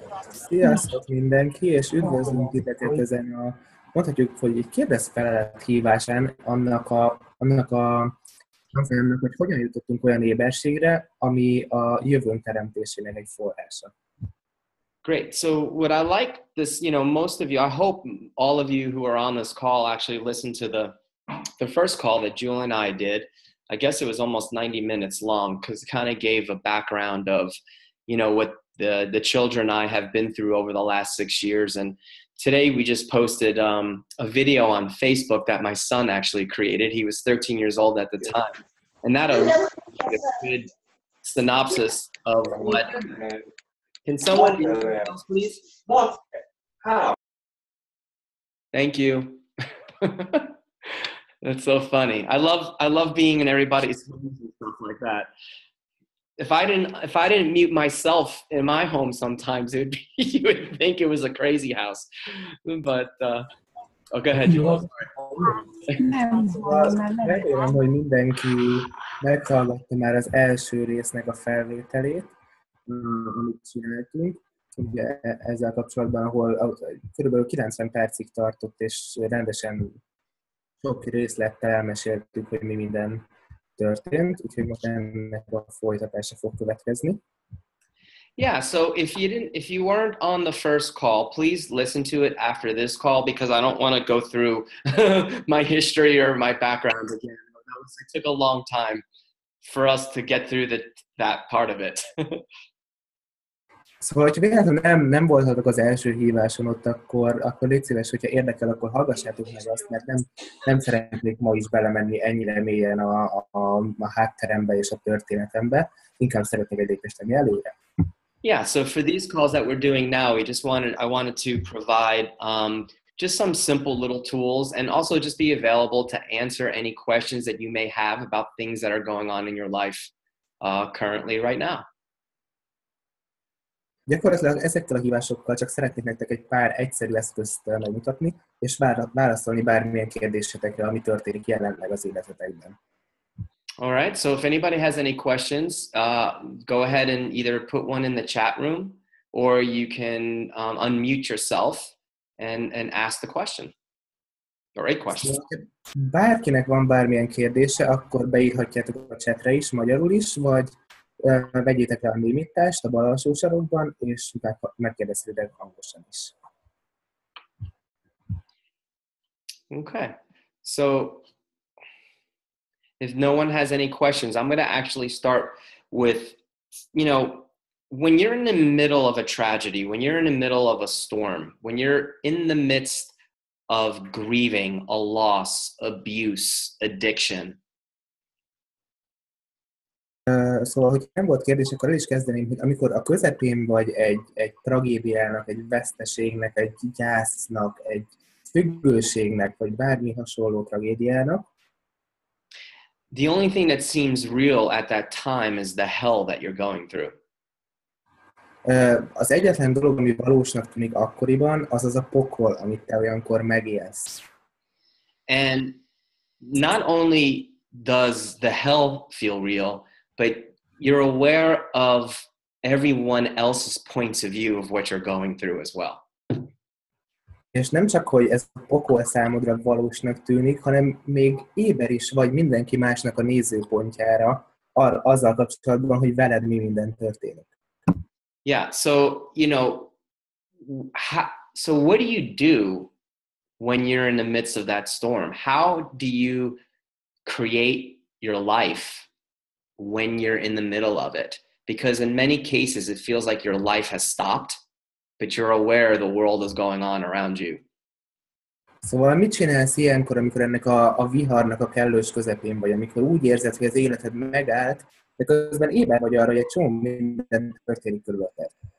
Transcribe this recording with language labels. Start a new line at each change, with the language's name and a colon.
Hungarian: Sziasztok mindenki, és üdvözlünk titeket ezen a, mondhatjuk, hogy egy kérdezfelelet híváson annak, hogy hogyan jutottunk olyan éberségre, ami a jövőn teremtésének egy forrása.
English: Great. So what I like this, you know, most of you, I hope all of you who are on this call actually listen to the first call that Gyula and I did. I guess it was almost 90 minutes long because it kind of gave a background of, you know, what the children and I have been through over the last 6 years. And today we just posted a video on Facebook that my son actually created. He was 13 years old at the time. And that was a good synopsis of what... Can someone else, please? What? How? Thank you. That's so funny. I love being in everybody's homes and stuff like that. If I didn't mute myself in my home sometimes, you would think it was a crazy house. But go ahead.
Hungarian: Remélem, hogy mindenki meghallotta már az első résznek a felvételét, amit csináltunk. Ugye ezzel kapcsolatban, ahol körülbelül 90 percig tartott, és rendesen sok részlettel elmeséltük, hogy mi minden történt, úgyhogy most ennek a folytatása fog következni.
English: Yeah, so if you weren't on the first call, please listen to it after this call, because I don't want to go through my history or my background again. It took a long time for us to get through that part of it.
Hungarian: Szóval, hogyha véletlenül nem voltatok az első híváson ott, akkor légy szíves, hogyha érdekel, akkor hallgassátok meg azt, mert nem szeretnék ma is belemenni ennyire mélyen a hátterembe és a történetembe. Inkább szeretnék egy lépést tenni előre.
English: Yeah, so for these calls that we're doing now, I wanted to provide just some simple little tools and also just be available to answer any questions that you may have about things that are going on in your life currently right now.
Hungarian: Gyakorlatilag ezekkel a hívásokkal csak szeretnék nektek egy pár egyszerű eszközt megmutatni, és válaszolni bármilyen kérdésetekre, ami történik jelenleg az életetekben.
English: All right, so if anybody has any questions, go ahead and either put one in the chat room, or you can unmute yourself and ask the question. All right, question.
Hungarian: Bárkinek van bármilyen kérdése, akkor beírhatjátok a chatre is, magyarul is, vagy vegyétek el a némítást a bal alsó sarokban, és megkérdeztétek hangosan is.
English: Okay, so if no one has any questions, I'm going to actually start with, you know, when you're in the middle of a tragedy, when you're in the middle of a storm, when you're in the midst of grieving, a loss, abuse, addiction.
Hungarian: Szóval, hogy nem volt kérdés, akkor el is kezdeném, hogy amikor a közepén vagy egy tragédiának, egy veszteségnek, egy gyásznak, egy függőségnek, vagy bármi hasonló tragédiának,
English: the only thing that seems real at that time is the hell that you're going through.
Hungarian: Az egyetlen dolog, ami valósnak tűnik akkoriban, az a pokol, amit te olyankor megélsz.
English: And not only does the hell feel real, but you're aware of everyone else's points of view of what you're going through as well.
Hungarian: És nem csak, hogy ez a pokol számodra valósnak tűnik, hanem még éber is vagy mindenki másnak a nézőpontjára azzal kapcsolatban, hogy veled mi minden történik.
English: Yeah, so, you know, so what do you do when you're in the midst of that storm? How do you create your life when you're in the middle of it? Because in many cases, it feels like your life has stopped, but you're aware the world is going on around you.
Hungarian: Szóval mit csinálsz ilyenkor, amikor ennek a viharnak a kellős közepén vagy, amikor úgy érzed, hogy az életed megállt, de közben éber vagy arra, hogy egy csomó minden történik körülötted?